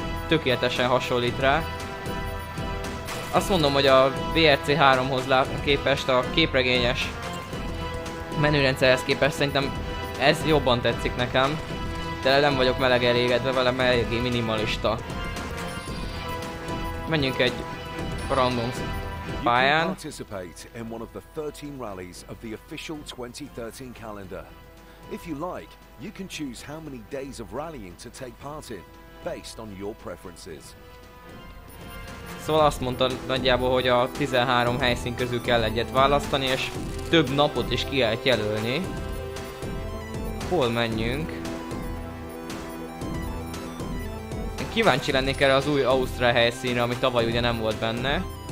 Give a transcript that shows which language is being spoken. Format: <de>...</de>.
<hu>Tökéletesen hasonlít rá. Azt mondom, hogy a WRC 3-hoz képest, a képregényes menürendszerhez képest szerintem ez jobban tetszik nekem. De nem vagyok meleg elégedve vele, mert eléggé minimalista. Menjünk egy random pályán.</hu> <en>You can participate in one of the 13 rallies of the official 2013 calendar. If you like, you can choose how many days of rallying to take part in, based on your preferences.</en> <hu>Szóval azt mondta nagyjából, hogy a 13 helyszín közül kell egyet választani, és több napot is ki lehet jelölni. Hol menjünk? Én kíváncsi lennék erre az új Ausztria helyszínre, ami tavaly ugye nem volt benne.</hu>